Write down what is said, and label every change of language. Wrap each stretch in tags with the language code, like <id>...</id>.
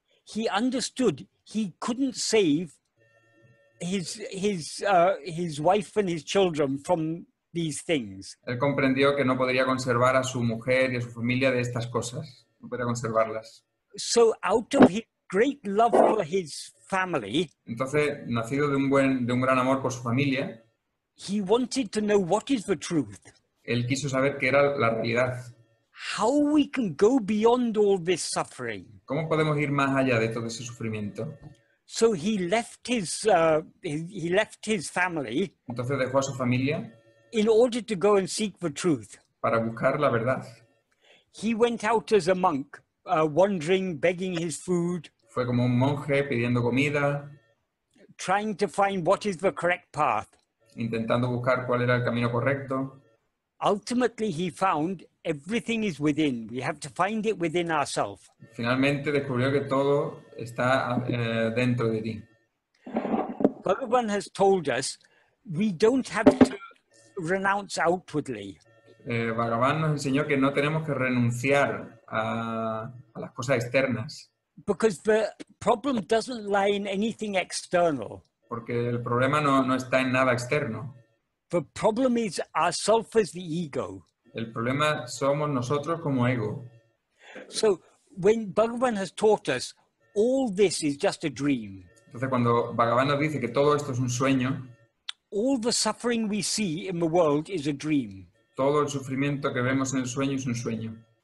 <en>he understood he couldn't save his wife and his children from these things.</en> <es>Él comprendió que no podría conservar a su mujer y a su familia de estas cosas. No podría conservarlas.</es> <en>So out of his great love for his family,</en> <es>entonces, nacido de un gran amor por su familia,</es> <en>he wanted to know what is the truth.</en> <es>Él quiso saber qué era la realidad.</es> <en>How we can go beyond all this suffering?</en> <es>¿Cómo podemos ir más allá de todo ese sufrimiento?</es> <en>So he left his family.</en> <es>Entonces dejó a su familia.</es> <en>In order to go and seek the truth.</en> <es>Para buscar la verdad.</es> <en>He went out as a monk, wandering, begging his food.</en> <es>Fue como un monje pidiendo comida.</es> <en>Trying to find what is the correct path.</en> <es>Intentando buscar cuál era el camino correcto.</es> <en>Ultimately, he found everything is within. We have to find it within ourselves.</en> <es>Finalmente descubrió que todo está dentro de ti.</es> <en>Bhagavan has told us we don't have to renounce outwardly.</en> <es>Bhagavan nos enseñó que no tenemos que renunciar a las cosas externas.</es> <en>Because the problem doesn't lie in anything external.</en> <es>Porque el problema no está en nada externo.</es> <en>The problem is ourselves as the ego.</en> <es>El problema somos nosotros como ego.</es> <en>So when Bhagavan has taught us, all this is just a dream.</en> <es>Entonces cuando Bhagavan nos dice que todo esto es un sueño.</es> <en>All the suffering we see in the world is a dream.</en> <es>Todo el sufrimiento que vemos en el sueño es un sueño.</es>